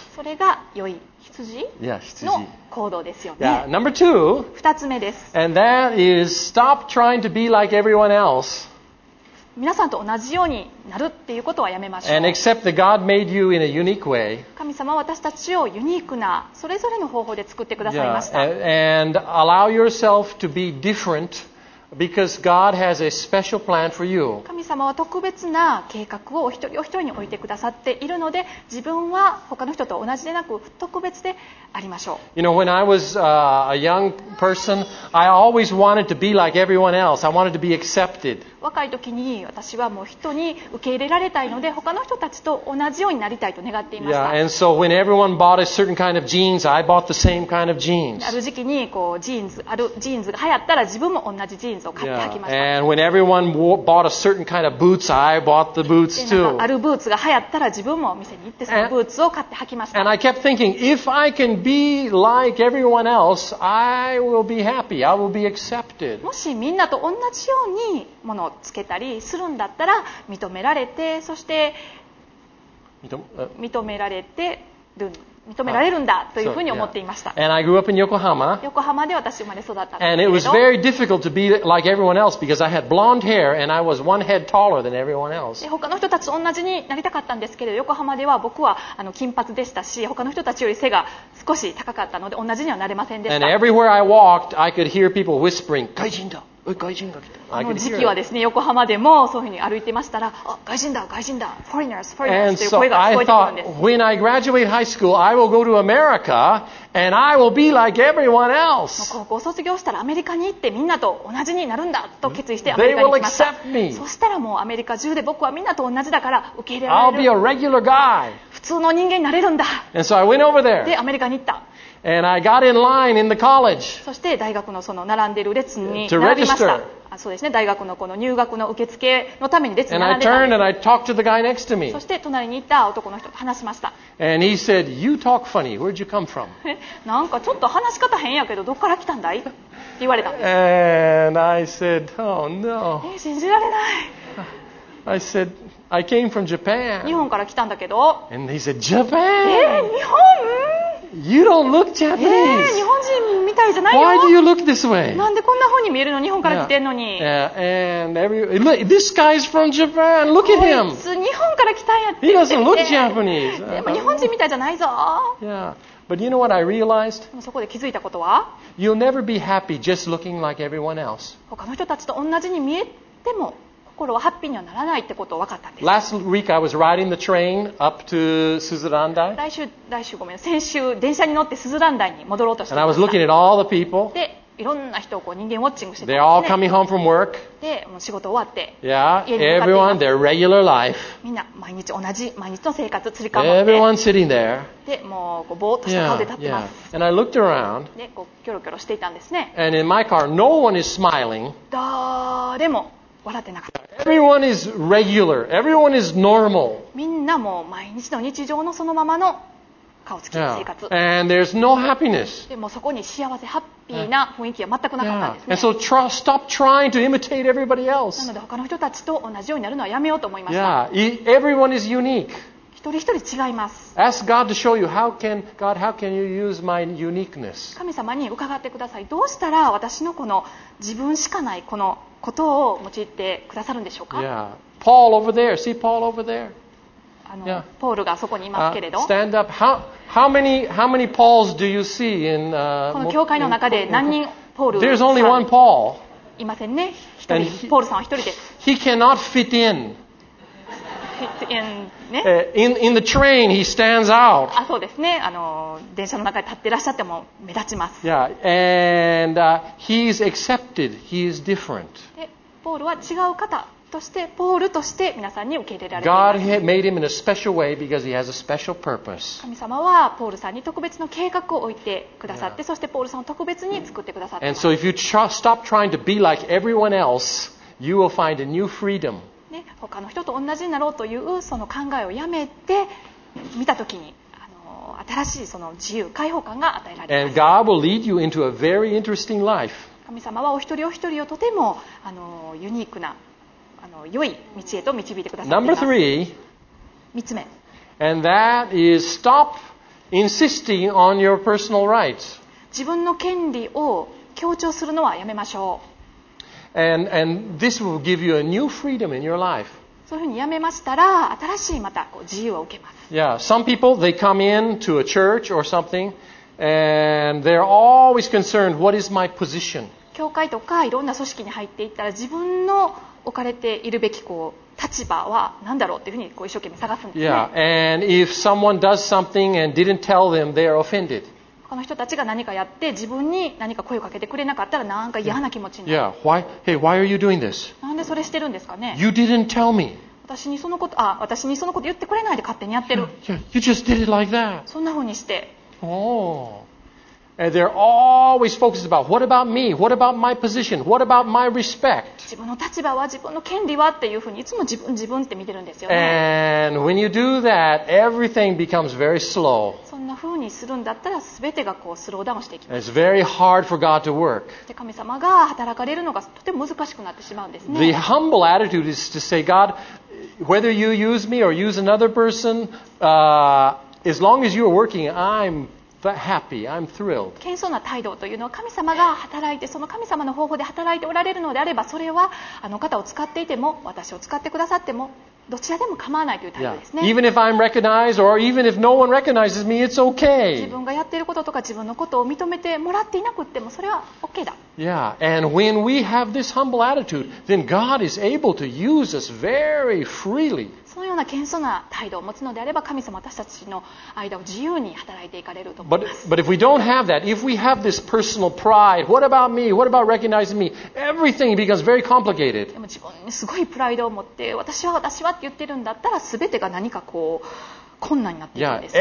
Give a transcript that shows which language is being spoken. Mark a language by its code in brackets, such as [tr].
[ja] それが良い羊の行動ですよね。 [en] Yeah, number two, [ja] 二つ目です。 [en] And that is stop trying to be like everyone else. [ja] 皆さんと同じようになるっていうことはやめましょう。 [en] And accept that God made you in a unique way. [ja] 神様は私たちをユニークなそれぞれの方法で作ってくださいました。 [en] Yeah. And allow yourself to be different because God has a special plan for you. [ja] 神様は特別な計画をお一人お一人に置いてくださっているので、自分は他の人と同じでなく特別でありましょう。 [en] You know, when I was a young person, I always wanted to be like everyone else. I wanted to be accepted. [ja] 若い時に私はもう人に受け入れられたいので他の人たちと同じようになりたいと願っていました。 [en] Yeah, and so when everyone bought a certain kind of jeans, I bought the same kind of jeans. [ja] ある時期にこうジーンズが流行ったら自分も同じジーンズを買って履きました。 [en] Yeah, and when everyone bought a certain kind of boots, I bought the boots too. [ja] あるブーツが流行ったら自分もお店に行ってそのブーツを買って履きました。 [en] And I kept thinking, if I can be like everyone else, I will be happy. I will be accepted. [ja] もしみんなと同じようにものをつけたりするんだったら認められて、そして認められてる、認められるんだというふうに思っていました。 [en] And I grew up in Yokohama. [ja] 横浜で私生まれ育った。 [en] And it was very difficult to be like everyone else because I had blonde hair and I was one head taller than everyone else. [ja] 他の人たちと同じになりたかったんですけど、横浜では僕は金髪でしたし、他の人たちより背が少し高かったので同じにはなれませんでした。 [en] And everywhere I walked, I could hear people whispering, [ja] 外人だ。この時期はですね、横浜でもそういうふうに歩いてましたら、外人だ、外人だ、 [en] foreigners、foreigners [ja] という声が聞こえてくるんです。 [en] When I graduate high school, I will go to America and I will be like everyone else. [ja] 高校卒業したらアメリカに行ってみんなと同じになるんだと決意してアメリカに来ました。そしたらもうアメリカ中で僕はみんなと同じだから受け入れられる。 [en] I'll be a regular guy. [ja] 普通の人間になれるんだ。 [en] And so I went over there. [ja] でアメリカに行った。 [en] And I got in line in the college. [ja] そして大学のその並んでる列に並びました。 [en] To register. [ja] あ、そうですね。大学のこの入学の受付のために列に並んでた。 [en] And I turned and I talked to the guy next to me. [ja] そして隣にいた男の人と話しました。 [en] And he said, "You talk funny. Where'd you come from?" [ja] なんかちょっと話し方変やけど、どっから来たんだい？って言われたんです。 [en] And I said, "Oh no." [ja] 信じられない。 [en] I said, "I came from Japan." [ja] 日本から来たんだけど。 [en] And he said, "Japan?" [ja] 日本？ [en] You don't look Japanese. [ja] 日本人みたいじゃないよ。 [en] Why do you look this way? [ja] なんでこんな風に見えるの？日本から来てんのに。 [en] Yeah. And every look, this guy's from Japan. Look at him. [ja] こいつ日本から来たんやって。 [en] He doesn't look Japanese. [ja] でも日本人みたいじゃないぞ。 [en] Yeah. But you know what I realized? [ja] そこで気づいたことは？ [en] You'll never be happy just looking like everyone else. [ja] 他の人たちと同じに見えても。心はハッピーにはならないってことを分かったんです。 [en] Last week I was riding the train up to Suzurandai. [ja] 来週ごめん、先週電車に乗ってスズランダイに戻ろうとして。 [en] And I was looking at all the people. [ja] で、いろんな人をこう人間ウォッチングして [en] た。They're all coming home from work. [ja] で、もう仕事終わって。 [en] Yeah, everyone, their regular life. [ja] みんな毎日同じ毎日の生活つり替わって。 [en] Everyone sitting there. [ja] で、もうこうぼーっとした顔で立ってます。 [en] Yeah. And I looked around. [ja] で、こうキョロキョロしていたんですね。 [en] And in my car, no one is smiling. [ja] 誰も。笑ってなかった。 [en] Everyone is regular. Everyone is normal. [ja] みんなも毎日の日常のそのままの顔つきの生活。 [en] Yeah. And there's no happiness. [ja] でもそこに幸せ、ハッピーな雰囲気は全くなかったんですね。 [en] Yeah. And so stop trying to imitate everybody else. [ja] なので他の人たちと同じようになるのはやめようと思いました。 [en] Yeah. Everyone is unique. [ja] 一人一人違います。 [en] Ask God to show you how can you use my uniqueness. [ja] 神様に伺ってください。どうしたら私のこの自分しかないこのことを用いてくださるんでしょうか。 [en] Yeah. Paul over there. See Paul over there. Yeah. [ja] ポールがそこにいますけれど。 [en] Stand up. How many Pauls do you see in [ja] この教会の中で何人ポールさん。 [en] There's only one Paul. [ja] いませんね。一人。ポールさんは一人です。 [en] He cannot fit in. Fit in ね。 In the train, he stands out. [ja] あ、そうですね。電車の中で立っていらっしゃっても目立ちます。 [en] Yeah. And he's accepted. He is different. [ja] で、ポールは違う方として、ポールとして皆さんに受け入れられています。 [en] God had made him in a special way because he has a special purpose. [ja] 神様はポールさんに特別の計画を置いてくださって、そしてポールさんを特別に作ってくださって。 [en] And so if you stop trying to be like everyone else, you will find a new freedom. [ja] ね、他の人と同じになろうというその考えをやめて見たときに新しいその自由解放感が与えられます。 [en] And God will lead you into a very interesting life. [ja] 神様はお一人お一人をとてもユニークな良い道へと導いてくださっています。 [en] Number three. [ja] 3つ目。 [en] And that is stop insisting on your personal rights. [ja] 自分の権利を強調するのはやめましょう。 [en] And this will give you a new freedom in your life. [ja] そういうふうにやめましたら新しいまたこう自由を受けます。 [en] Yeah, some people they come in to a church or something and they're always concerned what is my position. [ja] 教会とかいろんな組織に入っていったら自分の置かれているべきこう立場は何だろうというふうにこう一生懸命探すんですね。 [en] Yeah, and if someone does something and didn't tell them, they are offended. [ja] 他の人たちが何かやって自分に何か声をかけてくれなかったらなんか嫌な気持ちになる。 [en] Yeah, why? Hey, why are you doing this? [ja] なんで恐れしてるんですかね。 [en] You didn't tell me. [ja] 私にそのこと、私にそのこと言ってくれないで勝手にやってる。 [en] You just did it like that. [ja] そんな風にして。 [en] Oh. And they're always focused about what about me? What about my position? What about my respect? [ja] 自分の立場は自分の権利はっていう風にいつも自分って見てるんですよね。 [en] And when you do that, everything becomes very slow. [ja] そんな風にするんだったら全てがこうスローダウンしていきます。 [en] It's very hard for God to work. [ja] で、神様が働かれるのがとても難しくなってしまうんですね。 [en] The humble attitude is to say, God, whether you use me or use another person, as long as you are working, I'm happy. I'm thrilled. [ja] 謙遜な態度というのは神様が働いてその神様の方法で働いておられるのであればそれはあの方を使っていても私を使ってくださってもどちらでも構わないという態度ですね。 [en] Yeah. Even if I'm recognized or even if no one recognizes me, it's okay. [ja] 自分がやっていることとか自分のことを認めてもらっていなくてもそれは OK だ。 [en] Yeah. And when we have this humble attitude, then God is able to use us very freely. [ja] そのような謙遜な態度を持つのであれば神様は私たちの間を自由に働いていかれると思います。 [en] But if we don't have that, if we have this personal pride, what about me? What about recognizing me? Everything becomes very complicated. [ja] でも自分にすごいプライドを持って私は私はって言ってるんだったら全てが何かこう困難になっているんですね。